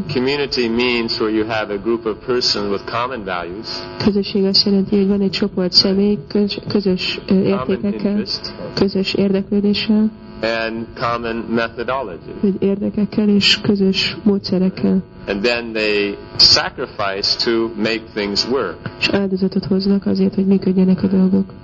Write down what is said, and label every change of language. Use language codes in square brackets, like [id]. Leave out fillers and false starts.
[en] Community means where you have a group of persons with common values. [hu] Közösség azt jelenti, hogy van egy csoport személy, közös értékekkel, közös érdeklődéssel. [en] And common methodology. [hu] Egy érdekekkel és közös módszerekkel. [en] And then they sacrifice to make things work. [hu] És áldozatot hoznak azért, hogy működjenek a dolgok.